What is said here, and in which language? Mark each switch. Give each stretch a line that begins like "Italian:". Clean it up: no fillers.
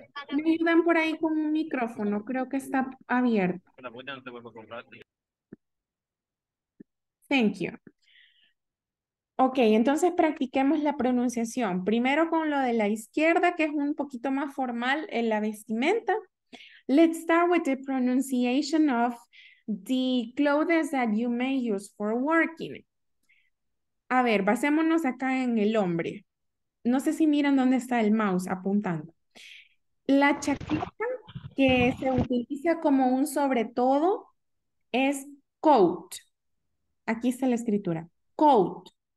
Spanish: Me ayudan por ahí con un micrófono, creo que está abierto.
English: Thank you.
Spanish: Ok, entonces practiquemos la pronunciación. Primero con lo de la izquierda, que es un poquito más formal en la vestimenta.
English: Let's start with the pronunciation of the clothes that you may use for working.
Spanish: A ver, basémonos acá en el hombre. No sé si miran dónde está el mouse apuntando. La chaqueta que se utiliza como un sobre todo es coat. Aquí está la escritura. Coat.